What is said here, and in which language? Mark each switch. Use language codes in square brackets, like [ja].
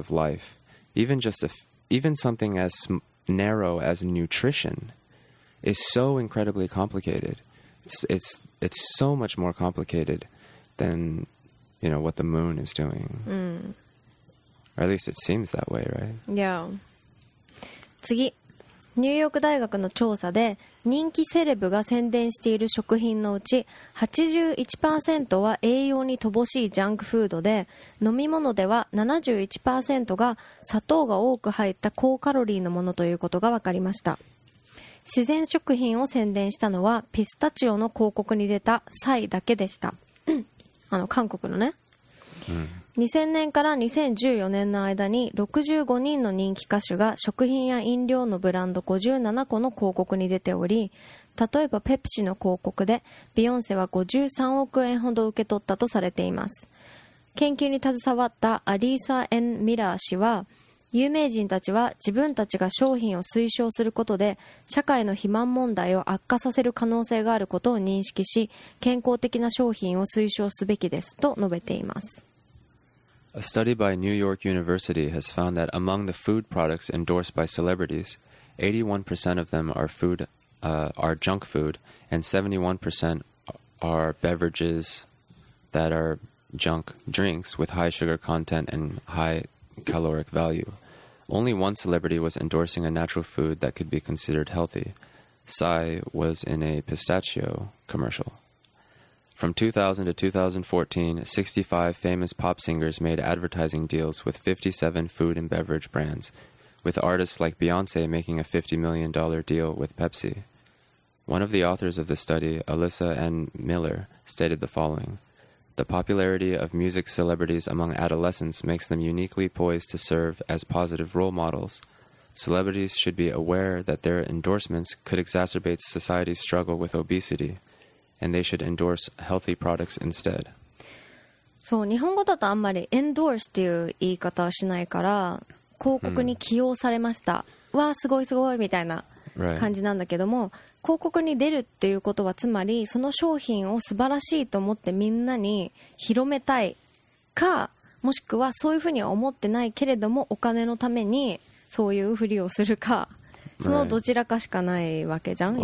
[en] of life, even just a even something as narrow as nutrition is so incredibly complicated. It's so much more complicated than, you know, what the moon is doing. Mm. Or at least it seems that way, right? Yeah. [ja] 次。ニューヨーク大学の調査で、人気セレブが宣伝している食品のうち 81% は栄養に乏しいジャンクフードで、飲み物では 71% が砂糖が多く入った高カロリーのものということが分かりました。自然食品を宣伝したのはピスタチオの広告に出たサイだけでした。あの韓国のね。 2000年から2014年の間に65人の人気歌手が食品や飲料のブランド57個の広告に出ており、例えばペプシの広告でビヨンセは53億円ほど受け取ったとされています。研究に携わったアリーサ・エン・ミラー氏は、有名人たちは自分たちが商品を推奨することで社会の肥満問題を悪化させる可能性があることを認識し、健康的な商品を推奨すべきですと述べています。 [en] A study by New York University has found that among the food products endorsed by celebrities, 81% of them are food, are junk food, and 71% are beverages that are junk drinks with high sugar content and high caloric value. Only one celebrity was endorsing a natural food that could be considered healthy. Psy was in a pistachio commercial. From 2000 to 2014, 65 famous pop singers made advertising deals with 57 food and beverage brands, with artists like Beyoncé making a $50 million deal with Pepsi. One of the authors of the study, Alyssa N. Miller, stated the following: "The popularity of music celebrities among adolescents makes them uniquely poised to serve as positive role models. Celebrities should be aware that their endorsements could exacerbate society's struggle with obesity, and they should endorse healthy products instead." [ja] そう、日本語だとあんまり endorse っていう言い方はしないから、広告に起用されました、hmm. わーすごいすごいみたいな感じなんだけども、 [en] right. [ja] 広告に出るっていうことはつまりその商品を素晴らしいと思ってみんなに広めたいか、もしくはそういうふうには思ってないけれどもお金のためにそういうふりをするか、そのどちらかしかないわけじゃん、